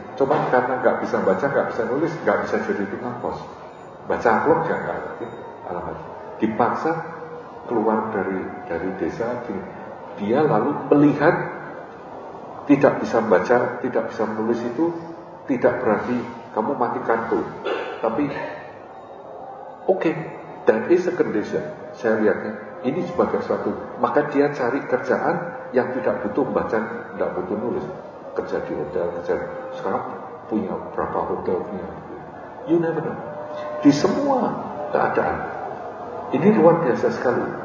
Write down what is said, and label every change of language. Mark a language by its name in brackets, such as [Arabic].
[Indonesian] Cuma karena nggak bisa baca, nggak bisa nulis, nggak bisa jadi tukang pos. Baca amplop ya nggak ngerti, alamat. Dipaksa keluar dari desa. Dia lalu melihat tidak bisa baca, tidak bisa menulis itu tidak berarti kamu mati kartu. [English] Tapi okay, that is a condition. [Indonesian] Saya lihatnya ini sebagai suatu, maka dia cari kerjaan yang tidak butuh baca, tidak butuh nulis, kerja di hotel, kerja sekarang punya berapa hotelnya. [English] You never know. [Indonesian] Di semua keadaan ini luar biasa sekali.